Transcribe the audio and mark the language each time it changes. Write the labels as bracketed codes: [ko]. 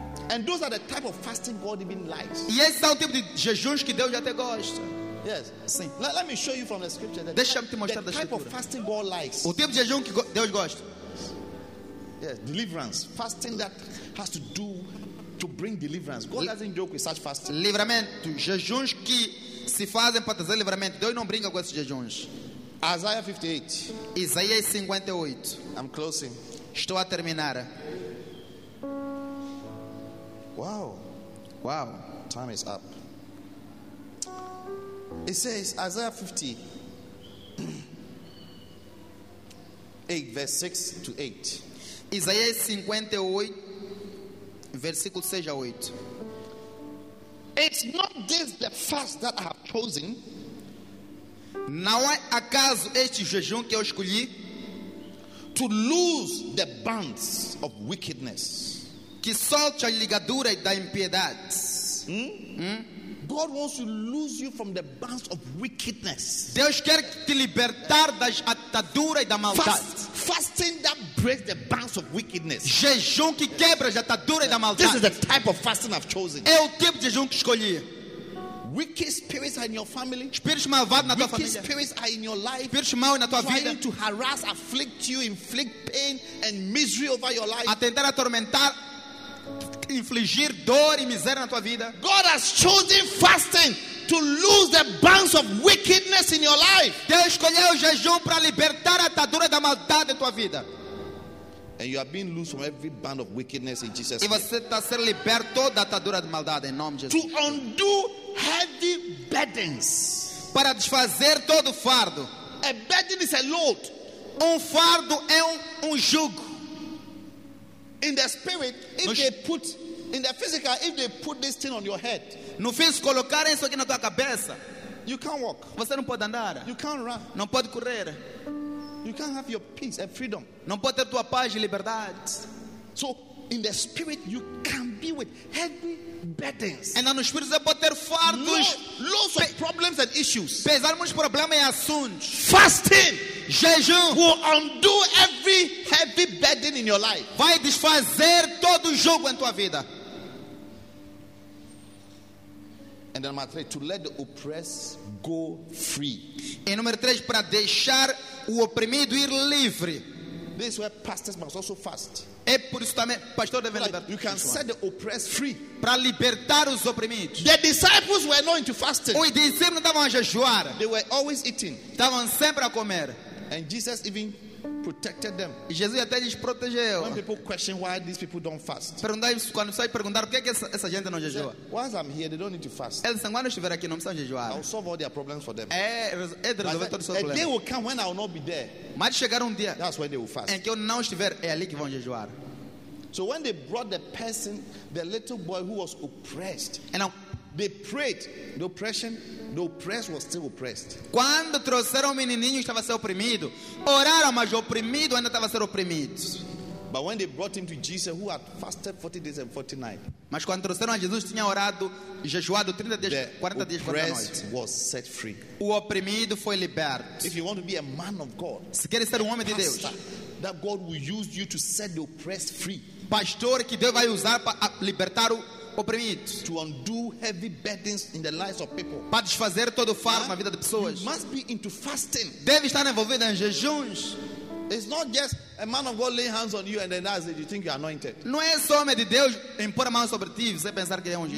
[en] And those are the type of fasting God even likes. [pt] E esse é o tipo de jejuns que Deus até gosta. [en] Yes. [pt] Sim. [en] Let me show you from the scripture. That [pt] deixa-me te mostrar [en] the type [pt] escritura. [en] Of fasting God likes. [pt] O tipo de jejum que Deus gosta. [en] Yes. Deliverance. Fasting that has to do to bring deliverance. God doesn't joke with such fasting. [pt] Livramento. Jejuns que se fazem para trazer livramento. Deus não brinca com esses jejuns. [en] Isaiah 58. [pt] Isaías 58. [en] I'm closing. [pt] Estou a terminar. [en] Wow. Wow. Time is up. It says Isaiah 50. 8, verse 6 to 8. [pt] Isaías 58, versículo [en] 6 a 8. It's not this the fast that I have chosen. [pt] Não é acaso este jejum que eu escolhi? [en] To lose the bands of wickedness. [pt] Que solte a ligadura da impiedade. [en] God wants to lose you from the bands of wickedness. [pt] Deus quer te libertar das ataduras e da maldade. [en] Fasting that breaks the bands of wickedness. [pt] Jejum que quebra as ataduras e da maldade. [en] This is the type of fasting I've chosen. [pt] É o tipo de jejum que escolhi. [en] Wicked spirits are in your family. [pt] Espíritos malvados na tua família. [en] Wicked spirits are in your life. [pt] Espíritos maus na tua vida. [en] Trying to harass, afflict you, inflict pain and misery over your life. [pt] A tentar atormentar, infligir dor e miséria na tua vida. [en] God has chosen fasting to lose the bands of wickedness in your life. [pt] Deus escolheu o jejum para libertar a atadura da maldade na tua vida. [en] And you are being loose from every band of wickedness in Jesus' name. [pt] E você está sendo liberto da atadura de maldade em nome de Jesus. [en] To undo heavy burdens. [pt] Para desfazer todo fardo. [en] A burden is a load. [pt] Fardo é um jugo. [en] In the spirit, if they put in the physical, if they put this thing on your head, [pt] no físico colocar isso aqui na tua cabeça, [en] you can't walk. [pt] Você não pode andar. [en] You can't run. [pt] Não pode correr. [en] You can't have your peace and freedom. [pt] Não pode ter tua paz e liberdade. [en] So In the spirit, you can be with heavy burdens. [pt] E no espírito você pode ter fardos, [en] loads of problems and issues. [pt] Pesar muitos problemas e assuntos. [en] Fasting, [pt] jejum, [en] will undo every heavy burden in your life. [pt] Vai desfazer todo o jugo em tua vida. [en] And then number 3, to let the oppressed go free. [pt] E número 3, para deixar o oprimido ir livre. [en] This is where pastors must also fast. [pt] É por isso também, pastor deve liberar. [en] You can set the oppressed free. [pt] Para libertar os oprimidos. [en] The disciples were not into fasting. [pt] Os discípulos não estavam a jejuar. [en] They were always eating. [pt] Estavam sempre a comer. [en] And Jesus even protected them. [pt] E Jesus até lhes protegeu. [en] When people question why these people don't fast. [pt] Perguntaram, quando sai perguntar por que essa gente não jejua. [en] Why I'm here, they don't need to fast. [pt] Eles estão quando estiver aqui não precisam jejuar. [en] I'll solve all their problems for them. [pt] É resolver todos os problemas. [en] A day will come when I will not be there. [pt] Mas chegar dia. [en] That's when they will fast. [pt] Em que eu não estiver é ali que vão jejuar. [en] So when they brought the person, the little boy who was oppressed, and now they prayed, the oppressed was still oppressed. [pt] Quando trouxeram o menininho estava a ser oprimido. Oraram, mas o oprimido ainda estava a ser oprimido. [en] But when they brought him to Jesus, who had fasted 40 days and 40 nights, [pt] mas quando trouxeram a Jesus tinha orado, jejuado 30 dias, 40 dias, 40 noites. [en] The oppressed was set free. [pt] O oprimido foi liberto. [en] If you want to be a man of God, [pt] se queres ser um homem de Deus, [en] that God will use you to set the oppressed free. [pt] Pastor que Deus vai usar para libertar o oprimido. [en] To undo heavy burdens in the lives of people. [pt] Para desfazer todo o fardo na vida de pessoas. [en] You must be into fasting. [pt] Deve estar envolvido em jejuns. [en] It's not just a man of God laying hands on you and then that's it. You think you're anointed. [pt] Não é só homem de Deus impor a mão sobre ti você pensar que é ungido.